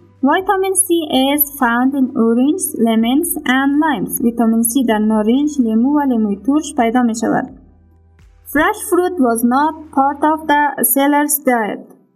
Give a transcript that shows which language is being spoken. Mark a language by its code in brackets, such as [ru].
[en] Vitamin C is found in oranges, lemons and limes. [fa] ویتامین سی در نارنج، لیمو و لیموی ترش پیدا می شود. [en] Fresh fruit was not part of the sailor's diet.